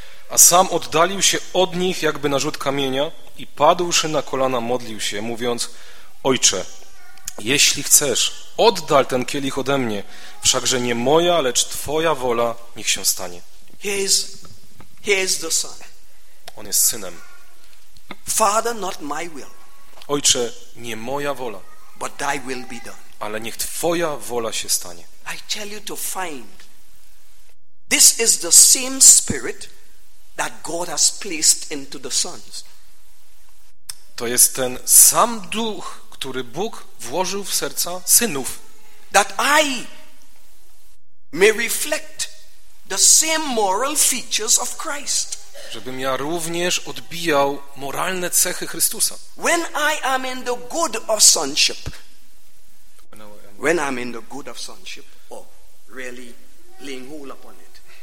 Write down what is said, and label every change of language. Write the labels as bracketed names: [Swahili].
[Polish] A sam oddalił się od nich jakby na rzut kamienia i padłszy na kolana modlił się, mówiąc: Ojcze, jeśli chcesz, oddal ten kielich ode mnie, wszakże nie moja, lecz twoja wola niech się stanie. [English] He is the son. [Polish] On jest synem. [English] Father, not my will. [Polish] Ojcze, nie moja wola. [English] But thy will be done. [Polish] Ale niech twoja wola się stanie. [English] I tell you to find. This is the same spirit that God has placed into the sons. [Polish] To jest ten sam duch, który Bóg włożył w serca synów. [English] That I may reflect the same moral features of Christ. [Polish] Żebym ja również odbijał moralne cechy Chrystusa. [English] When I am in the good of sonship. When I am in the good of sonship or really laying hold upon it.